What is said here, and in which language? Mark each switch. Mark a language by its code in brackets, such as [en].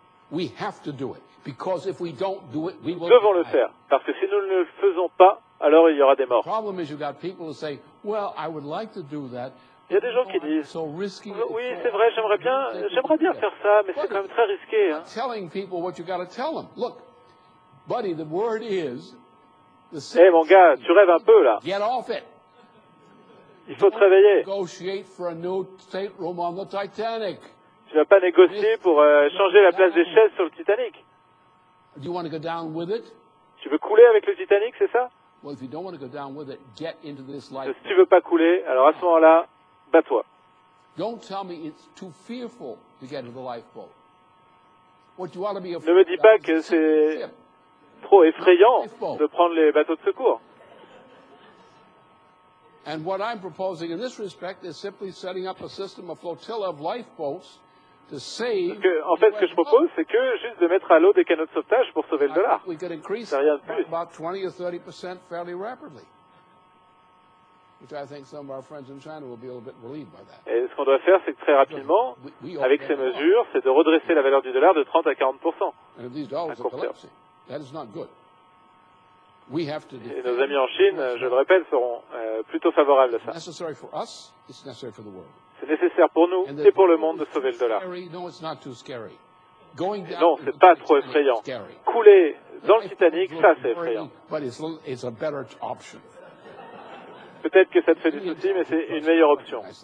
[en] We have to do it, because if we don't do it, we will. [fr] Nous devons le faire, parce que si nous ne le faisons pas, alors il y aura des morts. [en] The problem is you've got people who say, well, I would like to do that. [fr] Il y a des gens qui disent, oui, c'est vrai, j'aimerais bien faire ça, mais c'est quand même très risqué. Hein. [en] Telling people what you got to tell them. Look, buddy, the word is. [fr] Hey, mon gars, tu rêves un peu là. [en] Get off it. [fr] Il faut te réveiller. [en] Negotiate for a new stateroom on the Titanic. [fr] Tu ne vas pas négocier pour changer la place des chaises sur le Titanic. [en] Do you want to go down with it? [fr] Tu veux couler avec le Titanic, c'est ça? [en] Well, if you don't want to go down with it, get into this life. [fr] Si tu ne veux pas couler, alors à ce moment-là, bats-toi. [en] Don't tell me it's too fearful to get into the lifeboat. What you ought to be afraid [fr] of? Ne me dis pas que c'est trop effrayant de prendre les bateaux de secours. [en] And what I'm proposing in this respect is simply setting up a system of flotilla of lifeboats. [fr] En fait, ce que je propose, c'est que juste de mettre à l'eau des canots de sauvetage pour sauver le dollar. C'est rien de plus. [en] About 20 or 30% fairly rapidly, which I think some of our friends in China will be a little bit relieved by that. [fr] Et ce qu'on doit faire, c'est que très rapidement, avec ces mesures, c'est de redresser la valeur du dollar de 30 à 40%. [en] And if these dollars are collapsing, that is not good. We have to. [fr] Et nos amis en Chine, je le répète, seront plutôt favorables à ça. [en] Necessary for us, it's necessary for the world. [fr] C'est nécessaire pour nous et pour le monde de sauver le dollar. Et non, ce n'est pas trop effrayant. Couler dans le Titanic, ça c'est effrayant. Peut-être que ça te fait du souci, mais c'est une meilleure option.